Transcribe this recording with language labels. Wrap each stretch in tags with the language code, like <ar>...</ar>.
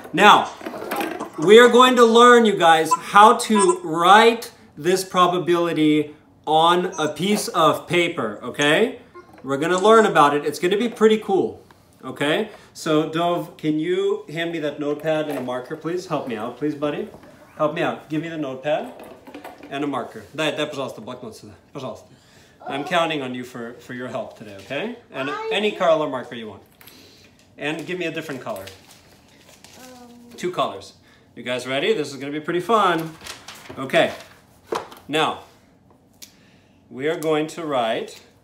<en>Now, we are going to learn, you guys, how to write this probability on a piece of paper, okay? We're gonna learn about it. It's gonna be pretty cool, okay? So, Dove, can you hand me that notepad and a marker, please? Help me out, please, buddy. Help me out. Give me the notepad and a marker.</en> <ru>Дай, пожалуйста, блокнот сюда, пожалуйста.</ru> <en>I'm counting on you for your help today, okay? And any color marker you want. And give me a different color. Two colors. You guys ready? This is gonna be pretty fun. Okay. Now, we are going to write.</en>